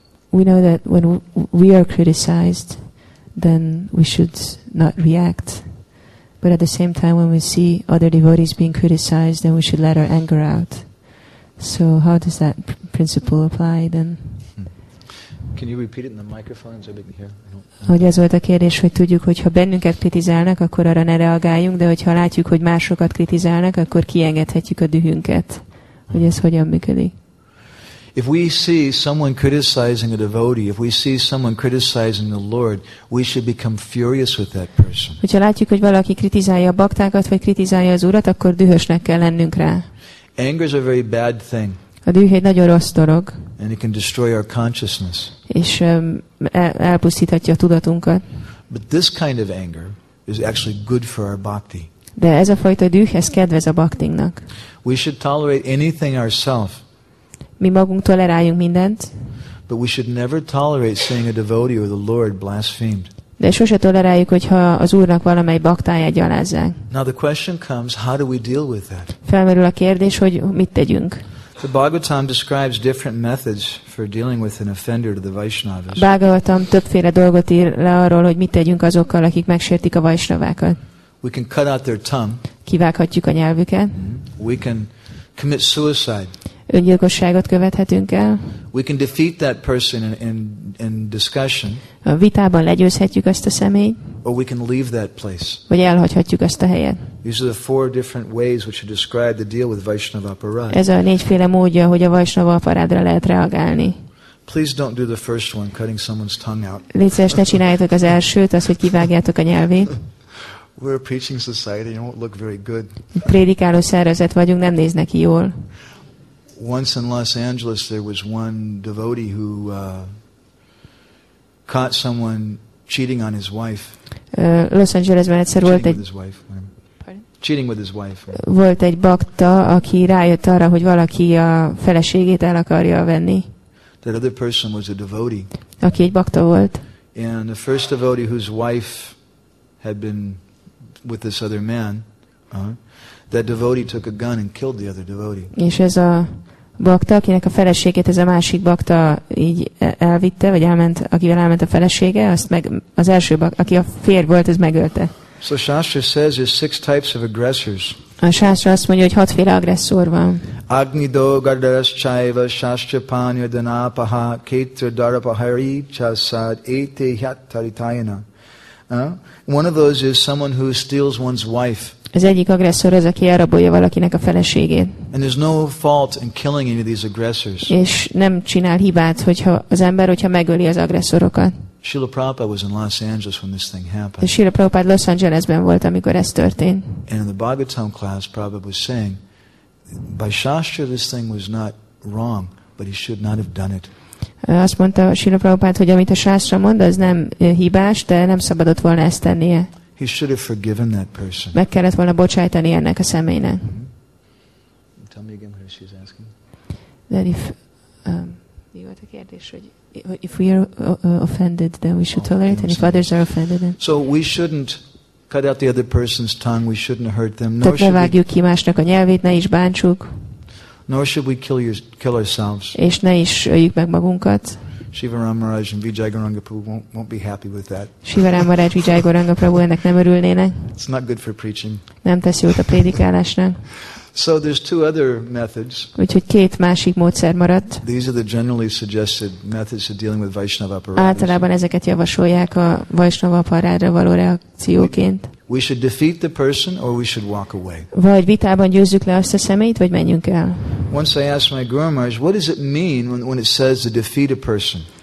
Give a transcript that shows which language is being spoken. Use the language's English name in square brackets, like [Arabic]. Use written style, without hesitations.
[English] We know that when we are criticized, then we should not react. But at the same time, when we see other devotees being criticized, then we should let our anger out. So how does that principle apply then? Can you repeat it in the microphone so we can hear? [Hungarian] Hogy ez volt a kérdés, hogy tudjuk, hogy ha bennünket kritizálnak, akkor arra ne reagáljunk, de hogyha látjuk, hogy másokat kritizálnak, akkor kiengedhetjük a dühünket. Hogy ez hogyan működik? [English] If we see someone criticizing a devotee, if we see someone criticizing the Lord, we should become furious with that person. [Hungarian] Hogyha látjuk, hogy valaki kritizálja a baktákat, vagy kritizálja az Urat, akkor dühösnek kell lennünk rá. [English] Anger is a very bad thing. [Hungarian] A düh egy nagyon rossz dolog. [English] And it can destroy our consciousness. [Hungarian] És elpusztíthatja a tudatunkat. [English] But this kind of anger is actually good for our bhakti. [Hungarian] De ez a fajta düh, ez kedvez a baktinknak. [English] We should tolerate anything ourselves. [Hungarian] Mi magunk toleráljunk mindent. [English] But we should never tolerate seeing a devotee or the Lord blasphemed. [Hungarian] De sose toleráljuk, hogyha az Úrnak valamely baktáját gyalázzák. [English] Now the question comes, how do we deal with that? [Hungarian] Felmerül a kérdés, hogy mit tegyünk. [English] The Bhagavatam describes different methods for dealing with an offender to the Vaishnavas. [Hungarian] Bhagavatam többféle dolgot ír le arról, hogy mit tegyünk azokkal, akik megsértik a Vaishnavákat. [English] We can cut out their tongue. [Hungarian] Kivághatjuk a nyelvüket. [English] We can commit suicide. [Hungarian] Öngyilkosságot követhetünk el. [English] We can defeat that person in discussion. [Hungarian] A vitában legyőzhetjük ezt a személyt. [English] Or we can leave that place. [Hungarian] Vagy elhagyhatjuk ezt a helyet. [English] These are the four different ways which are described to deal with Vaishnava aparad. [Hungarian] Ez a négyféle módja, hogy a Vaishnava aparadra lehet reagálni. [English] Please don't do the first one, cutting someone's tongue out. [Hungarian] Légy szíves, ne csináljátok az elsőt, az, hogy kivágjátok a nyelvét. [English] We're a preaching society, you won't look very good. [Hungarian] Prédikáló szervezet vagyunk, nem néz neki jól. [English] Once in Los Angeles, there was one devotee who caught someone cheating on his wife. [Hungarian] Los Angelesben egyszer volt egy [English] cheating with his wife. [Hungarian] Volt egy bakta, aki rájött arra, hogy valaki a feleségét el akarja venni. [English] That other person was a devotee. [Hungarian] Aki egy bakta volt. [English] And the first devotee whose wife had been with this other man, that devotee took a gun and killed the other devotee. [Hungarian] És ez a bakta, akinek a feleségét ez a másik bakta így elvitte, vagy elment, akivel elment a felesége, azt meg az első bakta, aki a férj volt, ez megölte. [English] So Shastra says there's six types of aggressors. A Shastra azt mondja, hogy hatféle agresszor van. [Sanskrit] Agni do gardaras chaiva shastra panya danapaha ketra darapahari chasad ete hyat taritayana. [English] One of those is someone who steals one's wife. [Hungarian] Az egyik agresszor az, aki elrabolja valakinek a feleségét. [English] And there's no fault in killing any of these aggressors. [Hungarian] És nem csinál hibát, hogyha az ember, hogyha megöli az agresszorokat. [English] Srila Prabhupada was in Los Angeles when this thing happened. [Hungarian] És Srila Prabhupada Los Angelesben volt, amikor ez történt. [English] And in the Bhagavatam class, Prabhupada was saying, by Shastra this thing was not wrong, but he should not have done it. [Hungarian] Azt mondta Srila Prabhupada, hogy amit a Shastra mond, az nem hibás, de nem szabadott volna ezt tennie. [English] He should have forgiven that person. [Hungarian] Meg kellett volna bocsájtani ennek a személynek. [English] Mm-hmm. Tell me again what she's asking. That if [Hungarian] mi volt a kérdés, hogy [English] if we are offended, then we should tolerate, and if others are offended, then. So we shouldn't cut out the other person's tongue. We shouldn't hurt them. Nor should we. [Hungarian] Vágjuk ki másnak a nyelvét, ne is bántsuk. [English] Nor should we kill ourselves. [Hungarian] És ne is öljük meg magunkat. [English] Shiva Ramaraj and Vijayagaranga Prabhu won't be happy with that. [Hungarian] Shiva Ramaraj, Vijayagaranga Prabhu ennek nem örülnének. [English] It's not good for preaching. [Hungarian] Nem tesz jót a prédikálásnak. [English] So there's two other methods. [Hungarian] Úgyhogy két másik módszer maradt. [English] These are the generally suggested methods of dealing with Vaishnava apparatus. [Hungarian] Általában ezeket javasolják a Vaishnava apparátra való reakcióként. [English] We should defeat the person or we should walk away. [Hungarian] Vagy vitában győzzük le azt a személyt, vagy menjünk el. [English] Once I asked my Guru Maharaj, what does it mean when it says to defeat a person?